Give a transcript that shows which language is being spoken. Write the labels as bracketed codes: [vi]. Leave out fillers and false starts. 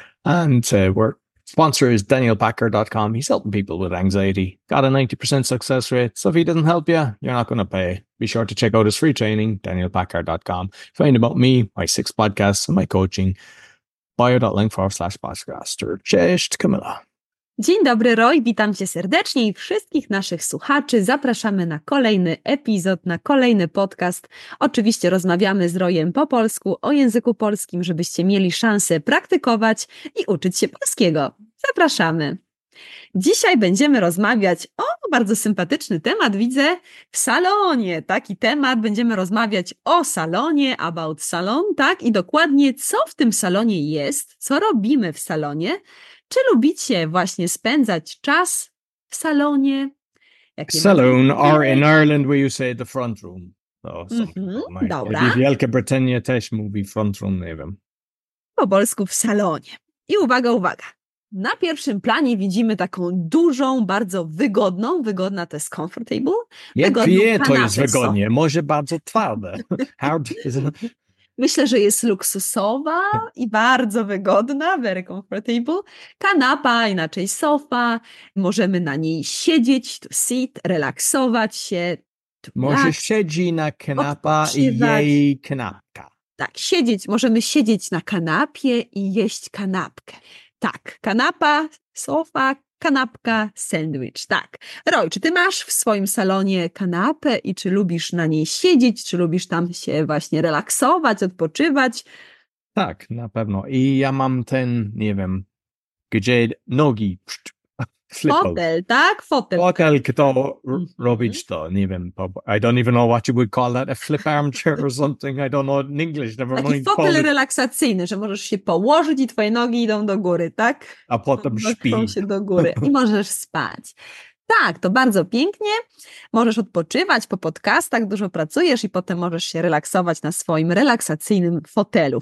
[en] And we're sponsor is danielpacker.com. He's helping people with anxiety. Got a 90% success rate. So if he doesn't help you, you're not going to pay. Be sure to check out his free training, danielpacker.com. Find about me, my 6 podcasts, and my coaching. bio.link/podcaster. [pl] Cześć, [en] Kamila. [pl] Dzień dobry, Roy. Witam cię serdecznie i wszystkich naszych słuchaczy. Zapraszamy na kolejny epizod, na kolejny podcast. Oczywiście rozmawiamy z Royem po polsku, o języku polskim, żebyście mieli szansę praktykować i uczyć się polskiego. Zapraszamy. Dzisiaj będziemy rozmawiać o bardzo sympatyczny temat, widzę, w salonie. Taki temat, będziemy rozmawiać o salonie, [en] about salon, [pl] tak? I dokładnie co w tym salonie jest, co robimy w salonie. Czy lubicie właśnie spędzać czas w salonie? [en] Salon, or in Ireland we say the front room. [pl] Dobra. W Wielkiej Brytanii też mówi front room, nie wiem. Po polsku w salonie. I uwaga, uwaga. Na pierwszym planie widzimy taką dużą, bardzo wygodną, wygodna to jest comfortable. Jak wie, to jest wygodnie, może bardzo twarde. [en] Hard is it? [pl] Myślę, że jest luksusowa i bardzo wygodna, [en] very comfortable. [pl] Kanapa, inaczej sofa, możemy na niej siedzieć, [en] to sit, [pl] relaksować się. Może siedzi na kanapa i jej kanapka. Tak, siedzieć, możemy siedzieć na kanapie i jeść kanapkę. Tak, kanapa, sofa, kanapka, sandwich, tak. Roy, czy ty masz w swoim salonie kanapę i czy lubisz na niej siedzieć, czy lubisz tam się właśnie relaksować, odpoczywać? Tak, na pewno. I ja mam ten, nie wiem, gdzie nogi flipą. Fotel, tak? Fotel. Fotel, kto robić to, nie wiem. [en] I don't even know what you would call that, a flip armchair or something. I don't know in English, never [pl] taki [en] mind. [pl] Taki fotel relaksacyjny, że możesz się położyć i twoje nogi idą do góry, tak? A potem śpi. Się do góry i możesz spać. Tak, to bardzo pięknie. Możesz odpoczywać po podcastach, dużo pracujesz i potem możesz się relaksować na swoim relaksacyjnym fotelu.